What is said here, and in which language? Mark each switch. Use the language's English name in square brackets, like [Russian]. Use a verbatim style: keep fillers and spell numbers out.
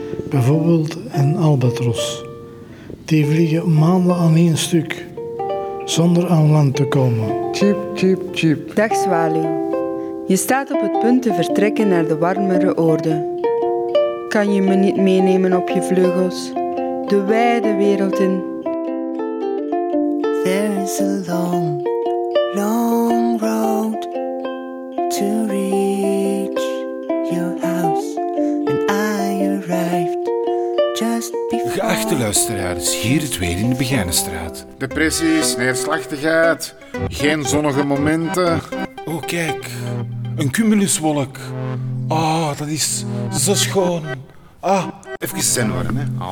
[Dutch] Bijvoorbeeld een albatros. Die vliegen maanden aan één stuk, zonder aan land te komen. Tjip, tjip, tjip. Dag, zwaluw. Je staat op het punt te vertrekken naar de warmere oorden. Kan je me niet meenemen op je vleugels, de wijde wereld in? [English] There is a long, long road to reach your house. And I arrived just before... [Dutch] Geachte luisteraars, hier het weer in de Begijnenstraat. Depressies, neerslachtigheid, geen zonnige momenten. Oh, kijk, een cumuluswolk. Oh, dat is zo schoon. Ah, even zen worden, hè.